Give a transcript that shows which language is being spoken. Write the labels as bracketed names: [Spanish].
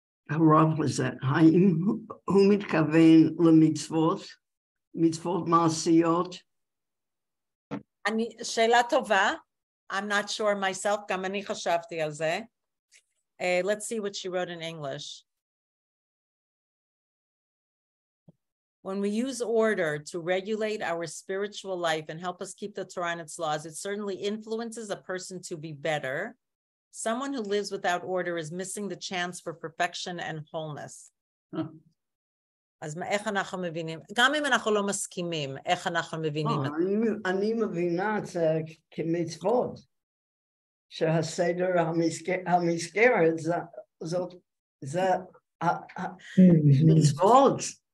[Hebrew] הרב הזה, האם הוא מתכוון למצוות, מצוות מעשיות? אני, שאלה טובה, [English] I'm not sure myself, [Hebrew] גם אני חשבתי על זה. [English] Let's see what she wrote in English. When we use order to regulate our spiritual life and help us keep the Torah and its laws, it certainly influences a person to be better. Someone who lives without order is missing the chance for perfection and wholeness. [Hebrew] אז איך אנחנו מבינים? גם אם אנחנו לא מסכימים, איך אנחנו מבינים? אני מבינה את זה כמצוות, שהסדר המסגרת זה מצוות.